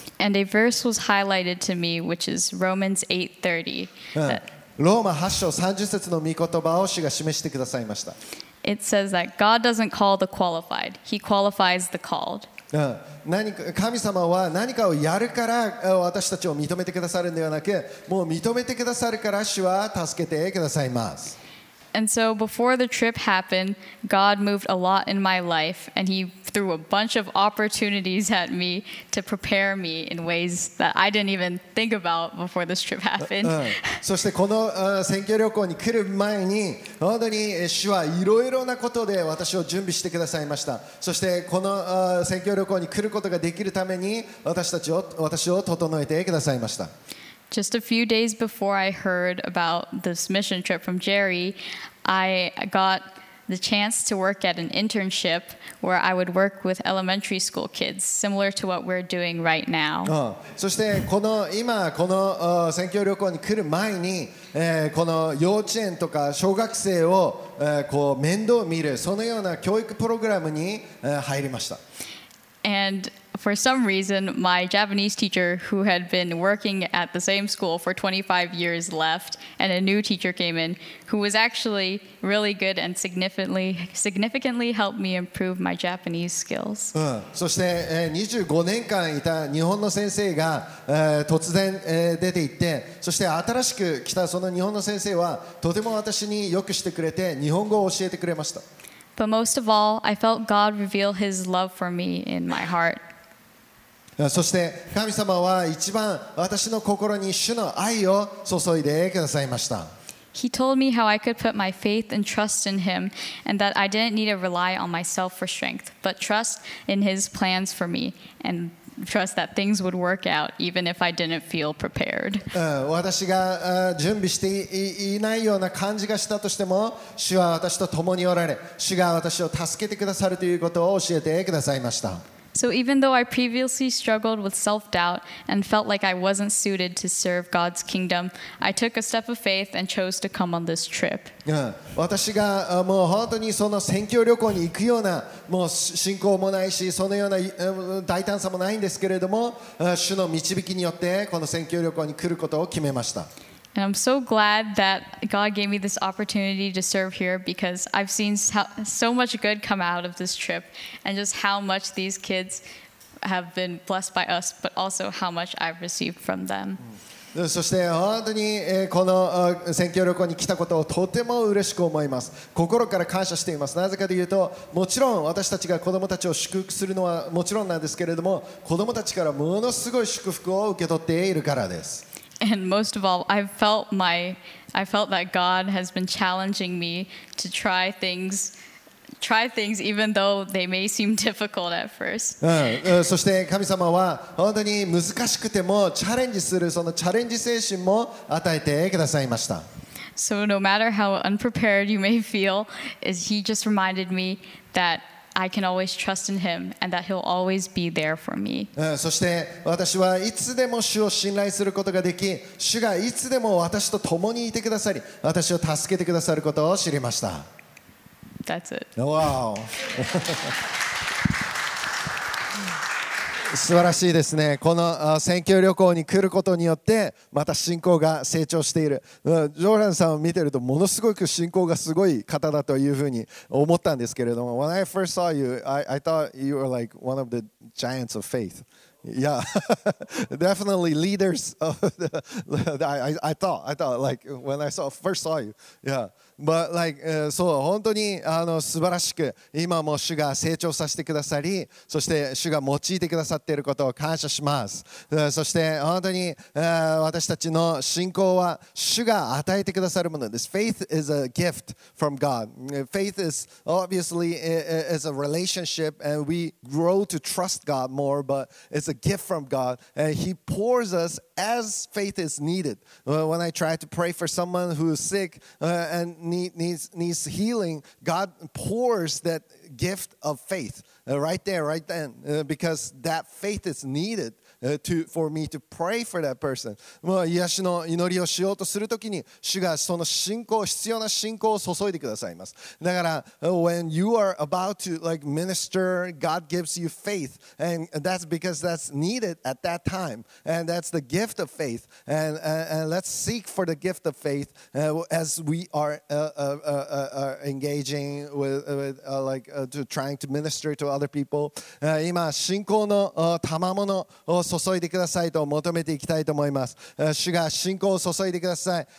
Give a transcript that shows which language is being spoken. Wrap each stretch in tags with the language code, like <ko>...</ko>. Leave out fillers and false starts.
<en>And a verse was highlighted to me, which is Romans 8:30.</en> <ja>ローマ8章30節の御言葉を主が示してくださいました。</ja> <en>It says that God doesn't call the qualified, He qualifies the called.</en> <ja>神様は何かをやるから私たちを認めてくださるのではなく、もう認めてくださるから主は助けてくださいます。</ja> <en>And so before the trip happened, God moved a lot in my life, and He threw a bunch of opportunities at me to prepare me in ways that I didn't even think about before this trip happened.</en> <ja>そしてこの選挙旅行に来る前に、本当に主はいろいろなことで私を準備してくださいました。そしてこの選挙旅行に来ることができるために私を整えてくださいました。</ja> <en>Just a few days before I heard about this mission trip from Jerry, I got the chance to work at an internship where I would work with elementary school kids, similar to what we're doing right now.</en> <ja>そしてこの今この選挙旅行に来る前に、この幼稚園とか小学生をこう面倒見る、そのような教育プログラムに入りました。</ja> <en>And for some reason, my Japanese teacher, who had been working at the same school for 25 years, left, and a new teacher came in, who was actually really good and significantly helped me improve my Japanese skills.</en> <ja>そして、25年間いた日本の先生が、突然、出て行って、そして新しく来たその日本の先生は、とても私によくしてくれて、日本語を教えてくれました。</ja> <en>But most of all, I felt God reveal His love for me in my heart.</en> <ja>そして神様は一番私の心に主の愛を注いでくださいました。</ja> <en>He told me how I could put my faith and trust in Him, and that I didn't need to rely on myself for strength, but trust in His plans for me, and trust that things would work out even if I didn't feel prepared.</en> <ja>私が準備して いないような感じがしたとしても、主は私と共におられ、主が私を助けてくださるということを教えてくださいました。</ja> <en>So even though I previously struggled with self-doubt and felt like I wasn't suited to serve God's kingdom, I took a step of faith and chose to come on this trip.</en> <ja>私がもう本当にその宣教旅行に行くようなもう信仰もないし、そのような大胆さもないんですけれども、主の導きによってこの宣教旅行に来ることを決めました。</ja> <en>And I'm so glad that God gave me this opportunity to serve here because I've seen so much good come out of this trip and just how much these kids have been blessed by us, but also how much I've received from them.</en> <ja>そして本当にこの宣教旅行に来たことをとても嬉しく思います。心から感謝しています。なぜかというと、もちろん私たちが子どもたちを祝福するのはもちろんなんですけれども、子どもたちからものすごい祝福を受け取っているからです。</ja> <en>And most of all, I felt that God has been challenging me to try things even though they may seem difficult at first.</en> <ja>そして神様は本当に難しくてもチャレンジするそのチャレンジ精神も与えてくださいました。</ja> <en>So no matter how unprepared you may feel, is He just reminded me that. I can always trust in Him and that He'll always be there for me.</en> <ja>そして私はいつでも主を信頼することができ、主がいつでも私と共にいてくださり、私を助けてくださることを知りました。</ja> <en>That's it. Wow.</en> <ja>素晴らしいですね。この宣教旅行に来ることによってまた信仰が成長している。ジョーランさんを見てるとものすごく信仰がすごい方だというふうに思ったんですけれども、</ja> <en>When I first saw you, I thought you were like one of the giants of faith. Yeah, definitely leaders of the, I thought like when I saw, first saw you. Yeah. But like,</en> <ja>そう本当にあの素晴らしく今も主が成長させてくださり、そして主が用いてくださっていることを感謝します。そして本当に私たちの信仰は主が与えてくださるものです。</ja> <en>Faith is a gift from God. Faith is obviously is a relationship, and we grow to trust God more. But it's a gift from God, and He pours us as faith is needed. When I try to pray for someone who is sick and needs healing, God pours that gift of faith right there, right then, because that faith is needed for me to pray for that person.</en> <ja>もう癒しの祈りをしようとするときに、主がその信仰、必要な信仰を注いでくださいます。</ja> <en>だから、when you are about to like minister, God gives you faith, and that's because that's needed at that time, and that's the gift of faith. And let's seek for the gift of faith as we are engaging with like to trying to minister to other people.</en> <ja>今信仰の賜物を注いでくださいと求めていきたいと思います。主が信仰を注いでください。</ja>